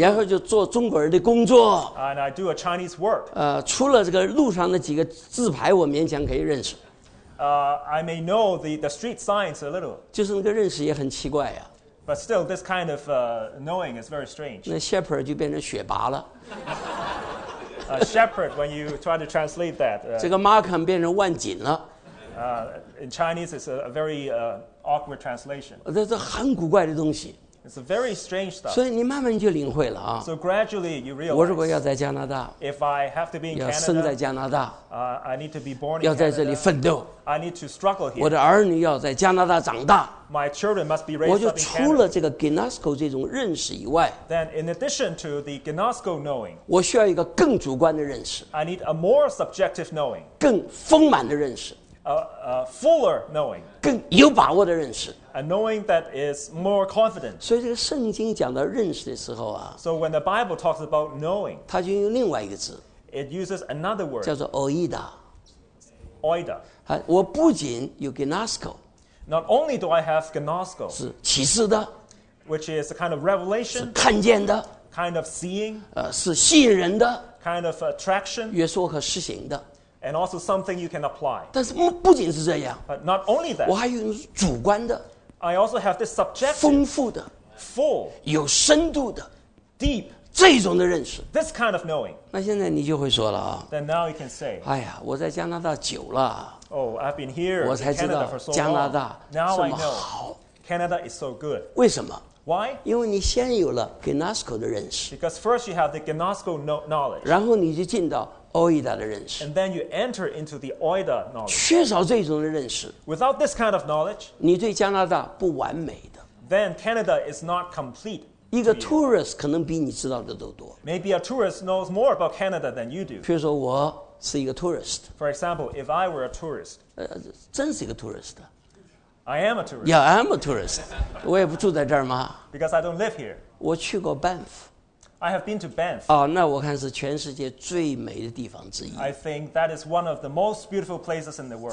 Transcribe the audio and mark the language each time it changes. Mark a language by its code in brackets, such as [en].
[zh] 然后就做中国人的工作。 [en] And I do a Chinese work. [zh] 除了这个路上的几个字牌，我勉强可以认识。 [en] I may know the street signs a little. [zh] 就是那个认识也很奇怪呀、啊。 [en] But still, this kind of knowing is very strange. [zh] 那 shepherd 就变成雪拔了。 [en] Shepherd, when you try to translate that. [zh] 这个 Markham 变成万锦了。 [en] In Chinese, it's a very awkward translation. [zh] 这很古怪的东西。 [en] It's a very strange stuff. [zh] 所以你慢慢就领会了啊。 [en] So gradually you realize. [zh] 我如果要在加拿大 [en] ，If I have to be in Canada, [zh] 要生在加拿大 [en] ，I need to be born in Canada. [zh] 要在这里奋斗 [en] ，I need to struggle here. [zh] 我的儿女要在加拿大长大 [en] ，My children must be raised up in [zh] Canada. 我就除了这个 Gnosco 这种认识以外 [en] ，Then in addition to the Gnosco knowing, [zh] 我需要一个更主观的认识 [en] ，I need a more subjective knowing. [zh] 更丰满的认识。 [en] Fuller knowing, [zh] 更有把握的认识 [en] a knowing that is more confident. [zh] 所以这个圣经讲到认识的时候啊 [en] ，so when the Bible talks about knowing, [zh] 它就用另外一个字 [en] ，it uses another word, [zh] 叫做 oida. [en] Oida. [zh] 啊，我不仅有 gnosko, [en] not only do I have gnosko, [zh] 是启示的 [en] ，which is a kind of revelation, [zh] 是看见的 [en] ，kind of seeing, [zh] 是吸引人的 [en] ，kind of attraction, [zh] 约束和施行的。 [en] And also something you can apply. [zh] 但是不仅是这样 [en] But not only that. [zh] 我还有主观的 [en] I also have this subjective. [zh] 丰富的 [en] Full. [zh] 有深度的 [en] Deep. [zh] 这种的认识 [en] This kind of knowing. [zh] 那现在你就会说了啊 [en] Then now you can say. [zh] 哎呀我在加拿大久了 [en] Oh I've been here in Canada for so long. [zh] 我才知道加拿大 [en] Now I know. 好 Canada is so good. [zh] 为什么 [en] Why? [zh] 因为你先有了 Gnosco 的认识 [en] Because first you have the Gnosco knowledge. [zh] 然后你就进到Oida 的认识 [en] And then you enter into the Oida knowledge. [zh] 缺少这种的认识 [en] Without this kind of knowledge, [zh] 你对加拿大不完美的 [en] Then Canada is not complete. [zh] 一个 tourist 可能比你知道的都多 [en] Maybe a tourist knows more about Canada than you do. [zh] 譬如说我是一个 tourist. [en] For example, if I were a tourist. [zh] 真是一个 tourist. [en] I am a tourist. Yeah, I'm a tourist. [zh] 我也不住在这儿吗 [en] Because I don't live here. [zh] 我去过 Banff. [en] I have been to Banff. [zh] 哦，那我看是全世界最美的地方之一。 [en] I think that is one of the most beautiful places in the world.